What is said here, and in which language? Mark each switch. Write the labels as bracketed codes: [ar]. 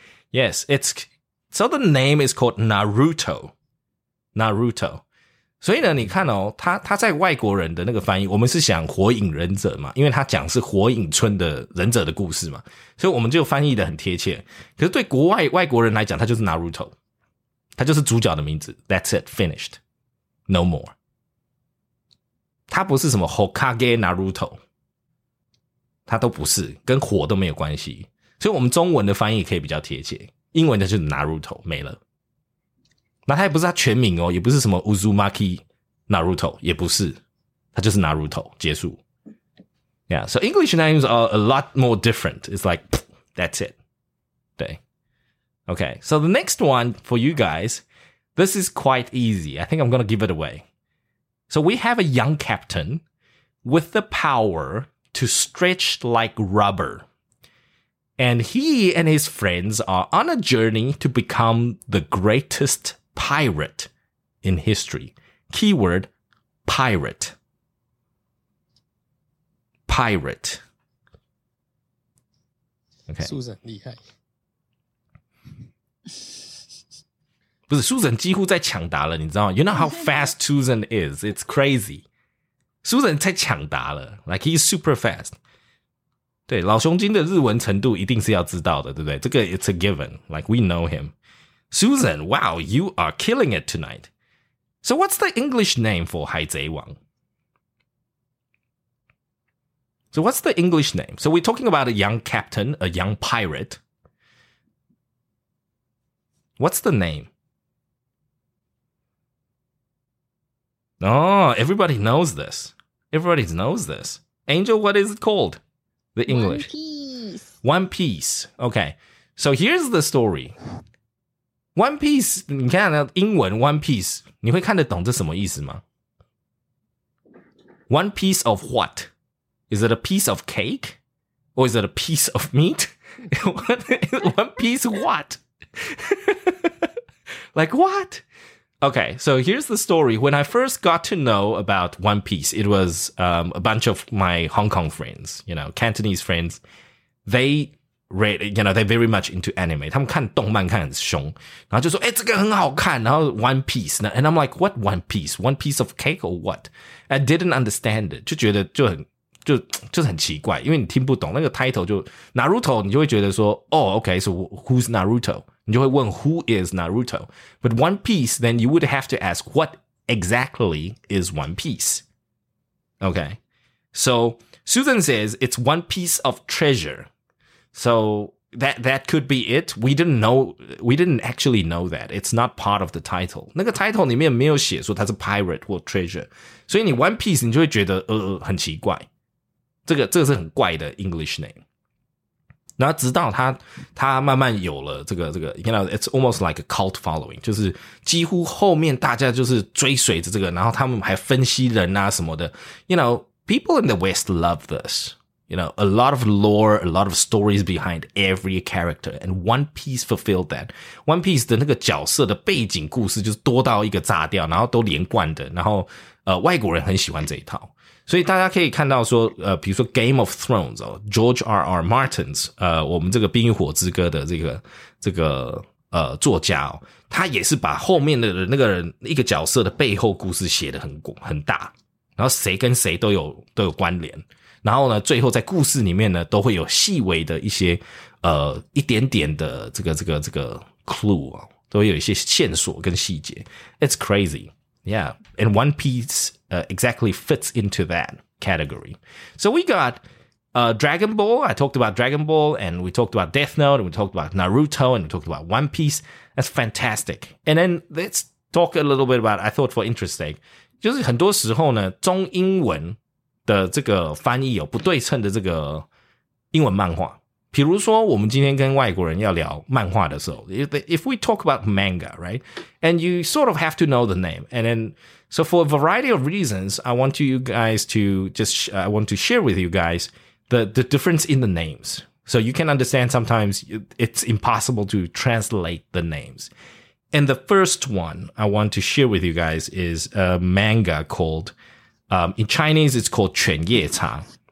[en] Yes, it's so the name is called Naruto. Naruto. [zh] 所以呢你看哦他在外国人的那个翻译我们是想火影忍者嘛因为他讲是火影村的忍者的故事嘛所以我们就翻译的很贴切可是对国外外国人来讲他就是 Naruto 他就是主角的名字 [en] That's it, finished No more [zh] 他不是什么 Hokage Naruto 他都不是跟火都没有关系所以我们中文的翻译可以比较贴切英文的就是 Naruto 没了那他也不是他全名哦也不是什么 Uzumaki Naruto, 也不是。他就是 Naruto, 结束。 [en] Yeah, so English names are a lot more different. It's like, that's it. [zh] 对。 [en] Okay, so the next one for you guys, this is quite easy. I think I'm gonna give it away. So we have a young captain with the power to stretch like rubber. And he and his friends are on a journey to become the greatestPirate in history. Keyword, pirate. Pirate. Okay. [zh] Susan, 厉害。不是 ,Susan 几乎在抢答了你知道吗 [en] You know how fast Susan is. It's crazy. Susan [zh] 在抢答了 [en] Like he's super fast. [zh] 对老熊精的日文程度一定是要知道的对不对这个 [en] it's a given. Like we know him. Susan, wow, you are killing it tonight. So what's the English name for 海贼王? So what's the English name? So we're talking about a young captain, a young pirate. What's the name? Oh, everybody knows this. Everybody knows this. Angel, what is it called? The English. One Piece. One Piece. Okay. So here's the story. [zh] One Piece, 你看英文 One Piece, 你会看得懂这什么意思吗? [en] One piece of what? Is it a piece of cake? Or is it a piece of meat? One piece what? Like what? Okay, so here's the story. When I first got to know about One Piece, it was a bunch of my Hong Kong friends, you know, Cantonese friends. They... Read, you know, they're very much into anime. [zh] 他们看动漫看很凶，然后就说：“哎，这个很好看。” 然后 [en] One Piece, and I'm like, "What One Piece? One piece of cake or what?" I didn't understand it. [zh] 就觉得就很奇怪，因为你听不懂那个 title 就 Naruto， 你就会觉得说：“哦 ， [en] okay, so who's Naruto?" [zh] 你就会问 [en] "Who is Naruto?" But One Piece, then you would have to ask, "What exactly is One Piece?" Okay, so Susan says it's one piece of treasure. So that could be it. We didn't actually know that. It's not part of the title. [zh] 那个 title 里面没有写说它是 pirate 或 treasure. 所以你 One Piece 你就会觉得很奇怪。这个是很怪的 English name. 然后直到它慢慢有了这个 [en] you know, it's almost like a cult following. [zh] 就是几乎后面大家就是追随着这个然后他们还分析人啊什么的。 [en] You know, people in the West love this. You know, a lot of lore, a lot of stories behind every character. And One Piece fulfilled that. [zh] One Piece 的那个角色的背景故事就是多到一个炸掉，然后都连贯的。然后外国人很喜欢这一套。所以大家可以看到说比如说 Game of Thrones,、哦、George R.R. Martin's, 我们这个冰与火之歌的这个作家、哦、他也是把后面的那个人一个角色的背后故事写得很大。然后谁跟谁都有关联。然后呢最后在故事里面呢都会有细微的一些一点点的这个 clue 啊、哦、都会有一些线索跟细节。 [en] It's crazy. Yeah. And One Piece, exactly fits into that category. So we got, Dragon Ball. I talked about Dragon Ball and we talked about Death Note and we talked about Naruto and we talked about One Piece. That's fantastic. And then let's talk a little bit about, I thought for interest sake, [zh] 就是很多时候呢中英文的这个翻译有不对称的这个英文漫画，比如说我们今天跟外国人要聊漫画的时候 [en] if we talk about manga, right? And you sort of have to know the name. And then, so for a variety of reasons, I want you guys to just, I want to share with you guys the difference in the names. So you can understand sometimes it's impossible to translate the names. And the first one I want to share with you guys is a manga called, in Chinese, it's called 犬夜叉.